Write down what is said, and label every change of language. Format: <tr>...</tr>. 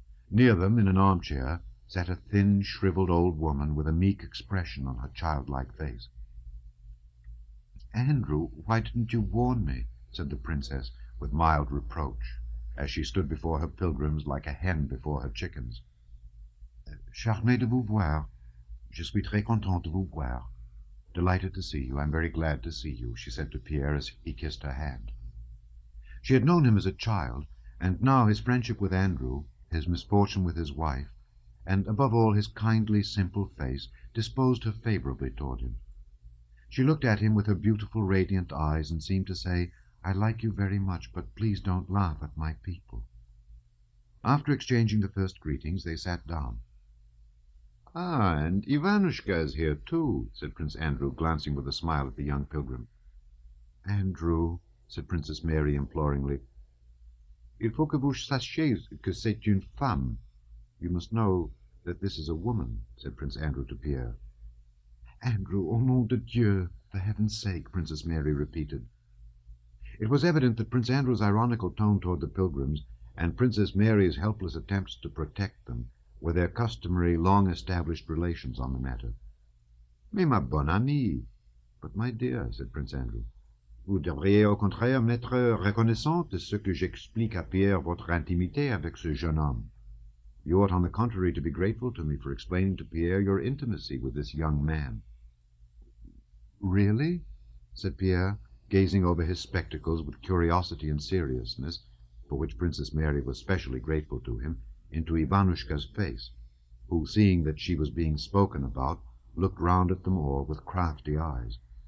<en>Near them, in an armchair, sat a thin, shriveled old woman with a meek expression on her childlike face. "Andrew, why didn't you warn me?" said the princess, with mild reproach, as she stood before her pilgrims like a hen before her chickens.</en> <fr>"Charmé de vous voir. Je suis très content de vous voir."</fr> <en>"Delighted to see you. I'm very glad to see you," she said to Pierre as he kissed her hand. She had known him as a child, and now his friendship with Andrew, his misfortune with his wife, and above all his kindly, simple face, disposed her favorably toward him. She looked at him with her beautiful, radiant eyes and seemed to say, "I like you very much, but please don't laugh at my people." After exchanging the first greetings, they sat down. "Ah, and Ivanushka is here, too," said Prince Andrew, glancing with a smile at the young pilgrim.</en> <fr>"Andrew,"</fr> <en>said Princess Mary imploringly,</en> <fr>"il faut que vous sachiez que c'est une femme."</fr> <en>"You must know that this is a woman," said Prince Andrew to Pierre. "Andrew,</en> <fr>au nom de Dieu,</fr> <en>for heaven's sake," Princess Mary repeated. It was evident that Prince Andrew's ironical tone toward the pilgrims and Princess Mary's helpless attempts to protect them were their customary, long-established relations on the matter.</en> <fr>"Mais ma bonne amie."</fr> <en>"But my dear," said Prince Andrew.</en> <fr>"Vous devriez au contraire m'être reconnaissante de ce que j'explique à Pierre votre intimité avec ce jeune homme."</fr> <en>"You ought, on the contrary, to be grateful to me for explaining to Pierre your intimacy with this young man." "Really?" said Pierre, gazing over his spectacles with curiosity and seriousness, for which Princess Mary was specially grateful to him, into Ivanushka's face, who, seeing that she was being spoken about, looked round at them all with crafty eyes.</en>